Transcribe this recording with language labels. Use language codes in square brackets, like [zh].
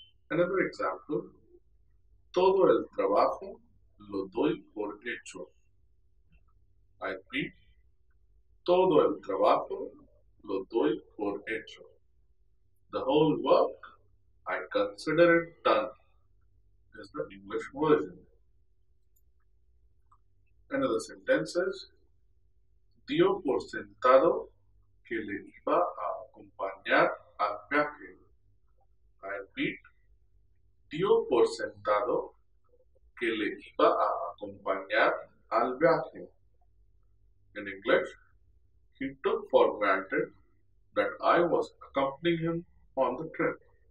[en] Another example. [es] Todo el trabajo lo doy por hecho. [en] I repeat. [es] Todo el trabajo lo doy por hecho. [en] The whole work, I consider it done, is the English version. Another sentence is, [es] dio por sentado que le iba a acompañar al viaje. [en] I repeat, [es] dio por sentado que le iba a acompañar al viaje. [en] In English, he took for granted that I was accompanying him on the trip.